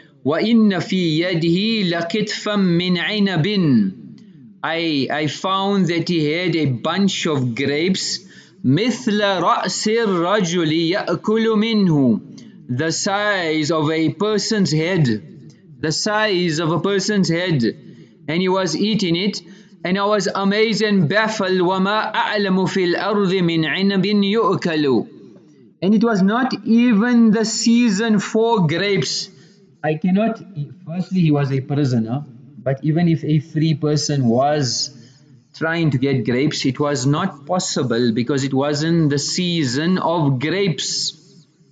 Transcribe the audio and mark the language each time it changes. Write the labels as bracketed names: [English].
[Arabic] وَإِنَّ فِي يَدْهِ لَكِتْفًا مِنْ عِنَبٍ. [English] I found that he had a bunch of grapes. [Arabic] مِثْلَ رَأْسِ الرَّجُلِ يَأْكُلُ مِنْهُ. [English] The size of a person's head. The size of a person's head. And he was eating it. And I was amazed and baffled. [Arabic] وَمَا أَعْلَمُ فِي الْأَرْضِ مِنْ عِنَبٍ يُؤْكَلُ. [English] And it was not even the season for grapes. Firstly, he was a prisoner. But even if a free person was trying to get grapes, it was not possible because it wasn't the season of grapes.